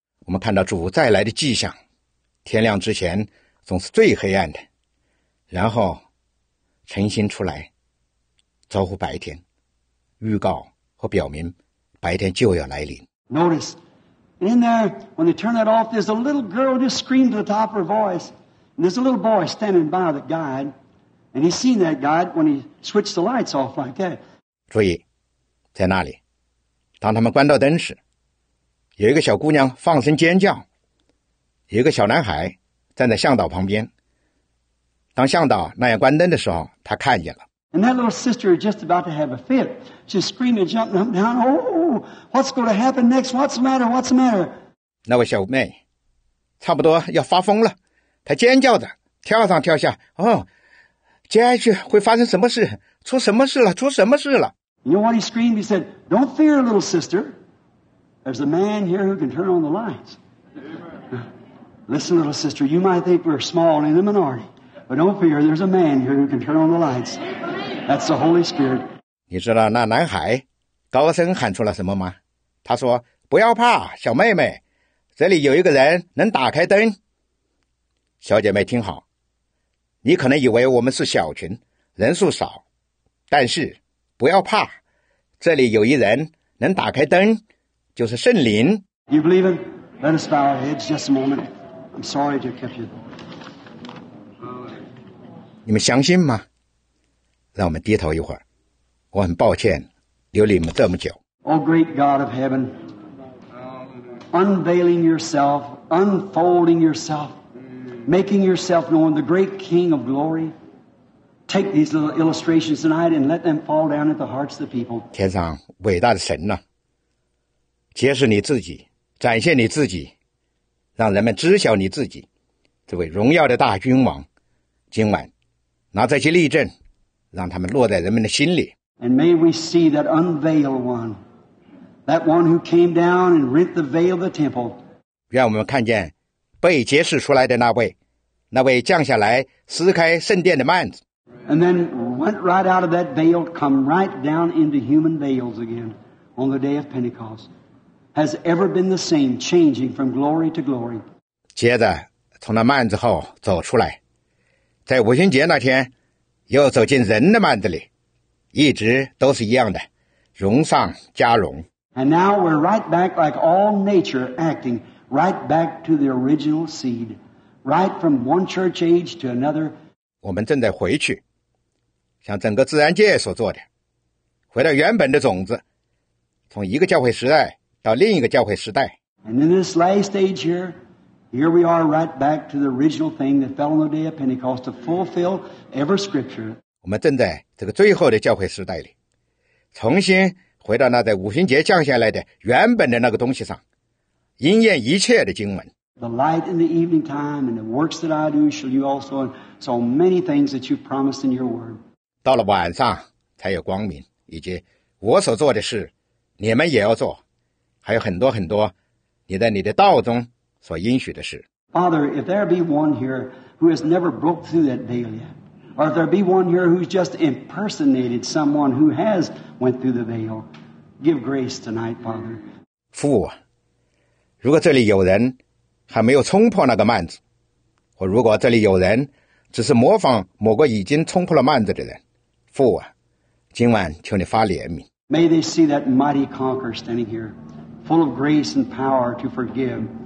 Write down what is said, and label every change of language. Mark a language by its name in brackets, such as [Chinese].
[Chinese] 我们看到主再来的迹象，天亮之前总是最黑暗的，然后晨星出来，招呼白天，预告和表明白天就要来临。 [English] Notice. And in there, when they turn that off, there's a little girl just screaming to the top of her voice. And there's a little boy standing by the guide. And he's seen that guide when he switched the lights off like that. [Chinese] 注意，在那里，当他们关掉灯时，有一个小姑娘放声尖叫，有一个小男孩站在向导旁边。当向导那样关灯的时候，他看见了。 [English] And that little sister is just about to have a fit. She's screaming, jumping up and down. Oh, what's going to happen next? What's the matter? What's the matter? [Chinese] 那位小妹差不多要发疯了，她尖叫着，跳上跳下。哦，接下去会发生什么事？出什么事了？出什么事了？ [English] You know what he screamed? He said, "Don't fear, little sister. There's a man here who can turn on the lights." Listen, little sister, you might think we're small and in the minority. But don't fear, there's a man here who can turn on the lights. That's the Holy Spirit. [Chinese] 你知道那男孩高声喊出了什么吗？他说，不要怕，小妹妹，这里有一个人能打开灯。小姐妹听好，你可能以为我们是小群，人数少，但是不要怕，这里有一人能打开灯，就是圣灵。 [English] You believe it? Let us bow our heads just a moment. I'm sorry to keep you. [Chinese] 你们相信吗？让我们低头一会儿。我很抱歉留你们这么久。 [English] Oh, great God of heaven, unveiling yourself, unfolding yourself, making yourself known, the great King of glory, take these little illustrations tonight and let them fall down at the hearts of the people. [Chinese] 天上伟大的神呐，揭示你自己，展现你自己，让人们知晓你自己，这位荣耀的大君王，今晚拿这些例证，让他们落在人们的心里。 [English] And may we see that unveiled one, that one who came down and rent the veil of the temple. [Chinese] 愿我们看见被揭示出来的那位，那位降下来撕开圣殿的幔子。 [English] And then went right out of that veil, come right down into human veils again on the day of Pentecost. Has ever been the same, changing from glory to glory. [Chinese] 接着从那幔子后走出来。在五旬节那天又走进人的幔子里，一直都是一样的，荣上加荣。 [English] And now we're right back like all nature acting, right back to the original seed, right from one church age to another. [Chinese] 我们正在回去，像整个自然界所做的，回到原本的种子，从一个教会时代到另一个教会时代。 [English] And in this last stage here,Here we are right back to the original thing that fell on the day of Pentecost to fulfill every scripture. [Chinese] 我们正在这个最后的教会时代里，重新回到那在五旬节降下来的原本的那个东西上，应验一切的经文。 [English] The light in the evening time and the works that I do shall you also and so many things that you promised in your word. [Chinese] 到了晚上才有光明，以及我所做的事，你们也要做，还有很多很多，你在你的道中。所应许的是 [English] Father, if there be one here who has never broke through that veil yet, or if there be one here who's just impersonated someone who has went through the veil, give grace tonight, Father. [Chinese] 父啊，如果这里有人还没有冲破那个幔子，或如果这里有人只是模仿某个已经冲破了幔子的人，父啊，今晚求你发怜悯。 [English] May they see that mighty conqueror standing here, full of grace and power to forgive.